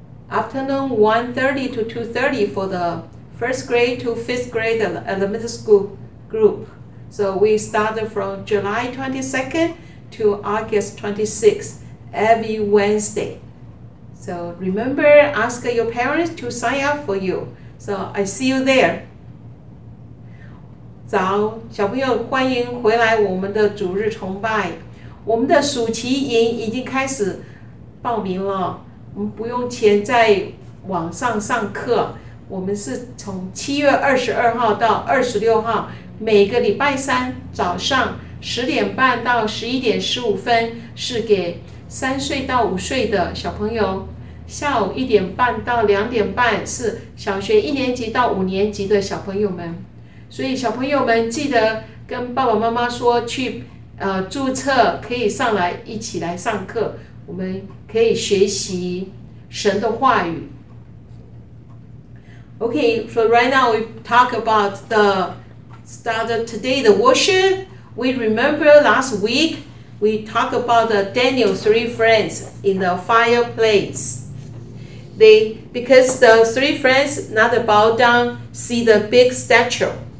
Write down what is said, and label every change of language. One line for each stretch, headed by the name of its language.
English: Afternoon 1:30 to 2:30 for the first grade to fifth grade elementary school group. So we started from July 22nd to August 26th every Wednesday. So remember, ask your parents to sign up for you. So I see you there.
Chinese: 早，小朋友，欢迎回来我们的主日崇拜。我们的暑期营已经开始报名了。我们不用钱在网上上课。我们是从7月22号到26号。每个礼拜三早上10:30到11:15是给3岁到5岁的小朋友，下午1:30到2:30是小学1年级到5年级的小朋友们。所以小朋友们记得跟爸爸妈妈说去注册，可以上来一起来上课，我们可以学习神的话语。
English: Okay, so right now we talk about theStarted today the worship. We remember last week we talked about Daniel's three friends in the fireplace. because the three friends not bow down, see the big statue.